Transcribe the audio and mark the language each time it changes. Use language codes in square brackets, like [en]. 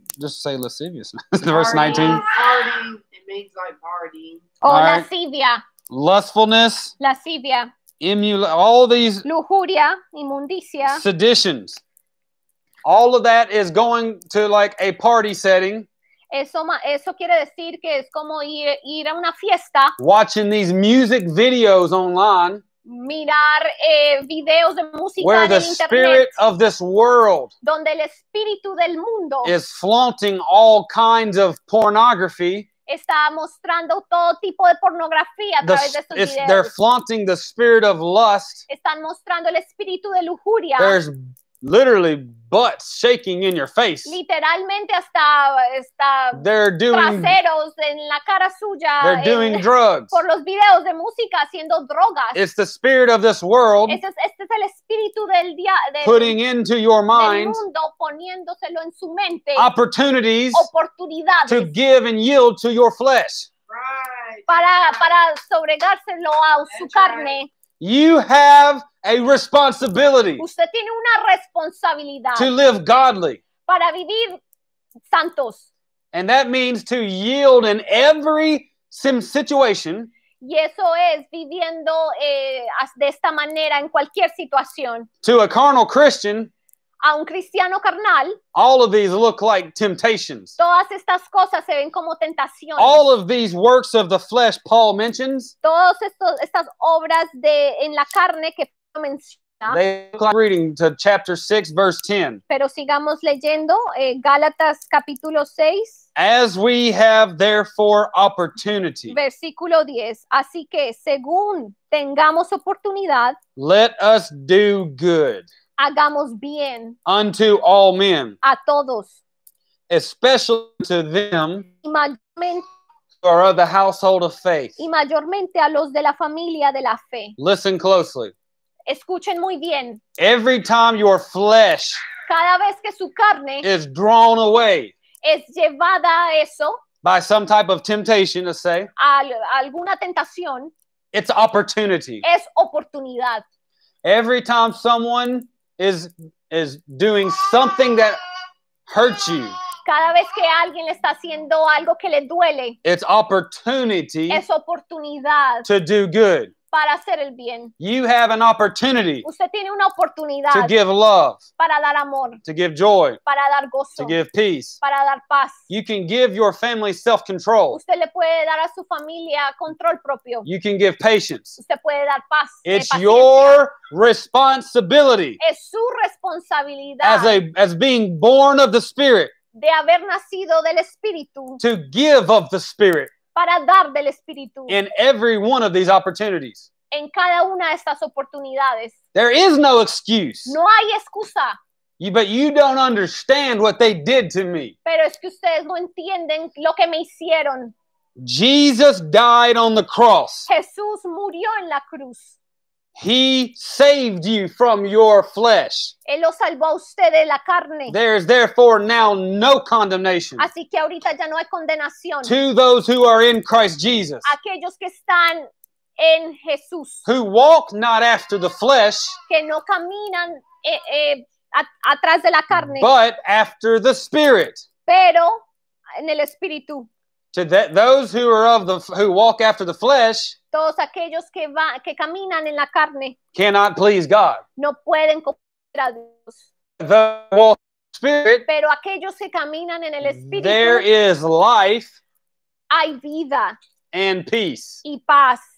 [en] Just say lasciviousness. Verse 19. Partying. It means like partying. Oh, right. Lascivia. Lustfulness. [es] Lascivia. [en] All these. [es] Lujuria. Inmundicia. [en] Seditions. All of that is going to like a party setting. [es] Eso quiere decir que es como ir a una fiesta. [en] Watching these music videos online. [es] Mirar videos de música [en] where [es] en [en] the internet, spirit of this world [es] donde el espíritu del mundo [en] is flaunting all kinds of pornography. [es] Está mostrando todo tipo de pornografía a través de estos videos. [en] They're flaunting the spirit of lust. [es] Están mostrando el espíritu de lujuria. [en] There's literally butts shaking in your face. [es] Literalmente hasta está traseros en la cara suya. [en] They're doing drugs. [es] Por los videos de música haciendo drogas. [en] It's the spirit of this world. [es] Este es el espíritu del día. [en] Putting into your mind. [es] Del mundo poniéndoselo en su mente. [en] Opportunities. [es] Oportunidades. [en] To give and yield to your flesh. Right. [es] Para sobregárselo a su [en] That's [es] carne. [en] Right. You have a responsibility. [es] Usted tiene una responsabilidad. [en] To live godly. [es] Para vivir santos. [en] And that means to yield in every situation. [es] Y eso es viviendo de esta manera en cualquier situación. [en] To a carnal Christian. [es] A un cristiano carnal. [en] All of these look like temptations. [es] Todas estas cosas se ven como tentaciones. [en] All of these works of the flesh Paul mentions. [es] Todas estas obras en la carne que menciona. [en] They look like reading to chapter 6, verse 10. [es] Pero sigamos leyendo, Gálatas capítulo 6. [en] As we have therefore opportunity. [es] Versículo 10. Así que según tengamos oportunidad. [en] Let us do good. [es] Hagamos bien. [en] Unto all men. [es] A todos. [en] Especially to them. [es] Y mayormente. [en] Or of the household of faith. [es] Y mayormente a los de la familia de la fe. [en] Listen closely. [es] Escuchen muy bien. [en] Every time your flesh. [es] Cada vez que su carne. [en] Is drawn away. [es] Es llevada a eso. [en] By some type of temptation, let's say. [es] Alguna tentación. [en] It's opportunity. [es] Es oportunidad. [en] Every time someone is doing something that hurts you. [es] Cada vez que alguien le está haciendo algo que le duele. [en] It's opportunity. [es] Es oportunidad. [en] To do good. [es] Para hacer el bien. [en] You have an opportunity. [es] Usted tiene una oportunidad. [en] To give love. [es] Para dar amor. [en] To give joy. [es] Para dar gozo. [en] To give peace. [es] Para dar paz. [en] You can give your family self-control. [es] Usted le puede dar a su familia control propio. [en] You can give patience. [es] Usted puede dar paz. [en] It's your responsibility. [es] Es su responsabilidad. [en] As being born of the Spirit. [es] De haber nacido del Espíritu. [en] To give of the Spirit. [es] Para dar del Espíritu. [en] In every one of these opportunities. [es] En cada una de estas oportunidades. [en] There is no excuse. [es] No hay excusa. [en] But you don't understand what they did to me. [es] Pero es que ustedes no entienden lo que me hicieron. [en] Jesus died on the cross. [es] Jesús murió en la cruz. [en] He saved you from your flesh. [es] Él lo salvó a usted de la carne. [en] There is therefore now no condemnation. [es] Así que ahorita ya no hay condenación. [en] To those who are in Christ Jesus. [es] Aquellos que están en Jesús. [en] Who walk not after the flesh. [es] Que no caminan atrás de la carne. [en] But after the Spirit. [es] Pero en el Espíritu. [en] To those who are of the who walk after the flesh, [es] todos aquellos que caminan en la carne, [en] cannot please God. [es] No pueden complacer a Dios. [en] The walk of the Spirit, [es] pero aquellos que caminan en el Espíritu, [en] there is life, [es] hay vida, [en] and peace, [es] y paz.